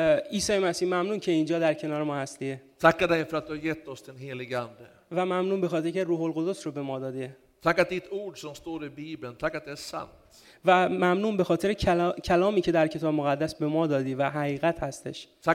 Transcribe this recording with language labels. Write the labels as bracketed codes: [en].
[fa] عیسی مسیح ممنون که اینجا در کنار ما هستی. [sv] Tackar dig för att du har gett oss den helige ande. [fa] و ممنون به خاطر که روح القدس رو به ما دادی. [sv] Tack att ditt ord som står i Bibeln, tack att det är sant. [fa] و ممنون به خاطر کلامی که در کتاب مقدس به ما دادی و حقیقت هستش.